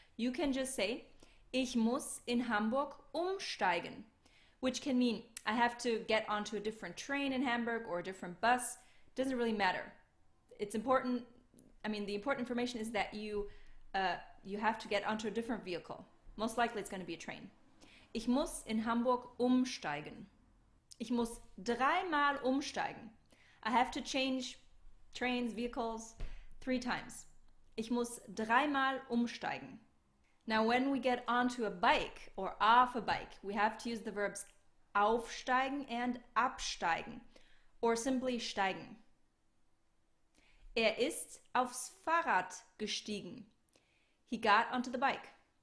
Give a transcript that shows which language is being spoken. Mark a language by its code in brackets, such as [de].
[en] You can just say, [de] ich muss in Hamburg umsteigen, [en] which can mean I have to get onto a different train in Hamburg or a different bus. Doesn't really matter. It's important. I mean, the important information is that you have to get onto a different vehicle. Most likely it's going to be a train. [de] Ich muss in Hamburg umsteigen. Ich muss dreimal umsteigen. [en] I have to change trains, vehicles, three times. [de] Ich muss dreimal umsteigen. [en] Now, when we get onto a bike or off a bike, we have to use the verbs aufsteigen and absteigen, or simply steigen. [de] Er ist aufs Fahrrad gestiegen. [en] He got onto the bike.